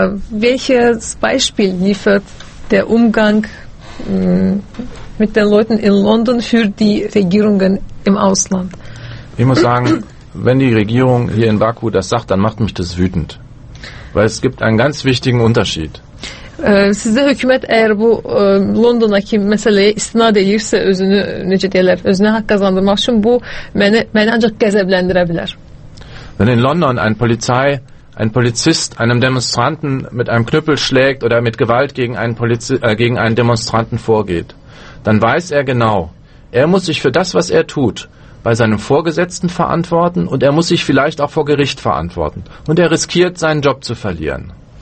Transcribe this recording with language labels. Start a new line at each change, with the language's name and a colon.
German: Welches Beispiel liefert der Umgang mit den Leuten in London für die Regierungen im Ausland? Ich muss sagen, wenn die Regierung hier in Baku das sagt, dann macht mich das wütend. Weil es gibt einen ganz wichtigen Unterschied.
Azerbaijani: Sizde hökumət əgər bu Londondakı məsələyə istinad edirsə özünü necə deyirlər, özünə haqq qazandırmaq üçün bu məni ancaq qəzəbləndirə bilər.
German: Wenn in London ein Polizist einem Demonstranten mit einem Knüppel schlägt oder mit Gewalt gegen einen Demonstranten vorgeht, dann weiß er genau, er muss sich für das, was er tut, bei seinem Vorgesetzten verantworten und er muss sich vielleicht auch vor Gericht verantworten und er riskiert seinen Job zu verlieren.